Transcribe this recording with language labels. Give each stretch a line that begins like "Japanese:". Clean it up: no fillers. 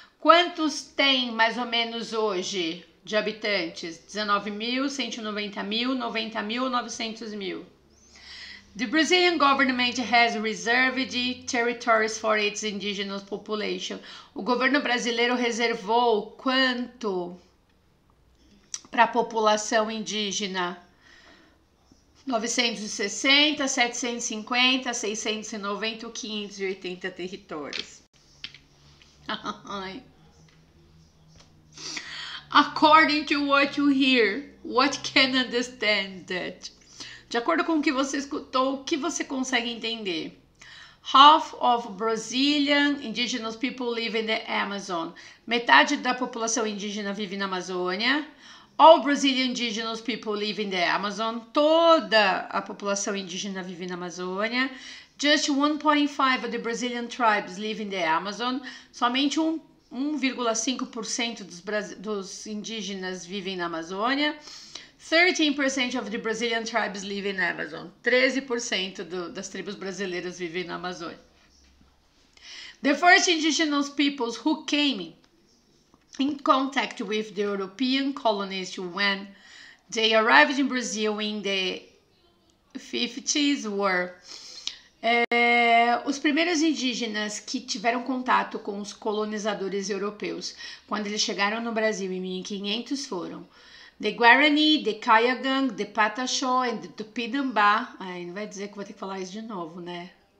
Portuguese: Quantos tem mais ou menos hoje de habitantes?
English: 19,000, 190,000, 90,000, 900,000. The Brazilian government has reserved territories for its indigenous population.
Portuguese: O governo brasileiro reservou quanto para a população indígena? 960, 750, 690 ou 580 territórios.
English: According to what you hear, what can understand that?
Portuguese: De acordo com o que você escutou, o que você consegue entender?
English: Half of Brazilian indigenous people live in the Amazon.
Portuguese: Metade da população indígena vive na Amazônia.
English: All Brazilian indigenous people live in the Amazon.
Portuguese: Toda a população indígena vive na Amazônia.
English: Just 1.5% of the Brazilian tribes live in the Amazon.
Portuguese: Somente 1,5% dos indígenas vivem na Amazônia.
English: 13% of the Brazilian tribes live in Amazon.
Portuguese: 13% das tribos brasileiras vivem na Amazônia.
English: The first indigenous peoples who came in contact with the European colonists when they arrived in Brazil in the 50s were...
Portuguese: Os primeiros indígenas que tiveram contato com os colonizadores europeus quando eles chegaram no Brasil em 1500 foram...
English: The Guarani, the Cayagang, the Pataxó and the Tupinambá.
Portuguese: Ai, não vai dizer que vou ter que falar isso de novo, né?